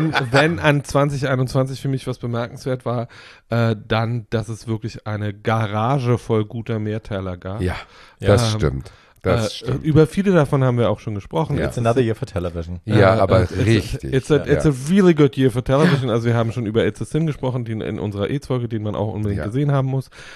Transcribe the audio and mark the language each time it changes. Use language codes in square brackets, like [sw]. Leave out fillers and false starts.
[de] Wenn an 2021 für mich was bemerkenswert war, dann, dass es wirklich eine Garage voll guter Mehrteiler gab. Ja, das stimmt. Das stimmt. Über viele davon haben wir auch schon gesprochen. [en] It's another year for television. [de] Ja, aber richtig. [en] It's a really good year for television. [de] Also wir haben schon über It's a Sin gesprochen, die in unserer AIDS-Folge, den man auch unbedingt gesehen haben muss.